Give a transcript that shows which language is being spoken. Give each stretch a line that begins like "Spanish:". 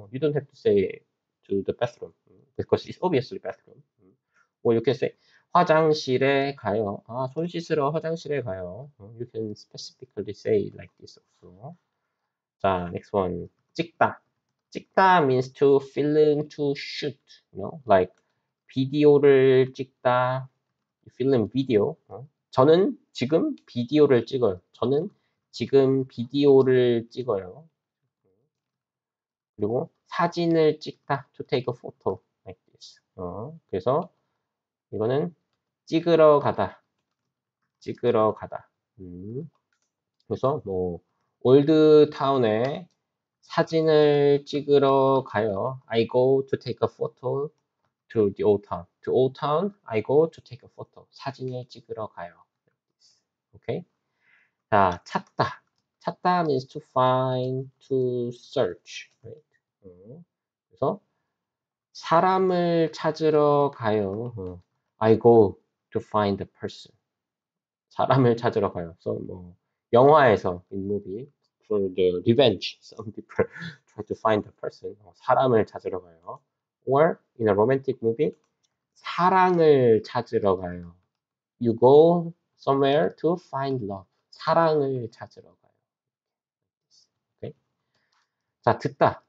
English: You don't have to say to the bathroom because it's obviously bathroom. Or you can say
Korean: 화장실에 가요. 아, 손 씻으러 화장실에 가요.
English: You can specifically say like this also. 자, next one. 찍다. 찍다 means to film, to shoot. You know, like
Korean: 비디오를 찍다.
English: Film video.
Korean: 저는 지금 비디오를 찍어요. 저는 지금 비디오를 찍어요. 그리고 사진을 찍다,
English: to take a photo, like this.
Korean: 그래서 이거는 찍으러 가다, 찍으러 가다. 그래서 뭐 올드 타운에 사진을 찍으러 가요.
English: I go to take a photo to the old town. To old town, I go to take a photo.
Korean: 사진을 찍으러 가요.
English: 오케이. Okay? 자, 찾다. 찾다 means to find, to search, right?
Korean: 그래서 사람을 찾으러 가요.
English: I go to find the person.
Korean: 사람을 찾으러 가요.
English: So
Korean: 뭐 영화에서
English: in movie for the revenge, some people try to find the person.
Korean: 사람을 찾으러 가요.
English: Or in a romantic movie,
Korean: 사랑을 찾으러 가요.
English: You go somewhere to find love.
Korean: 사랑을 찾으러 가요.
English: 자, 듣다.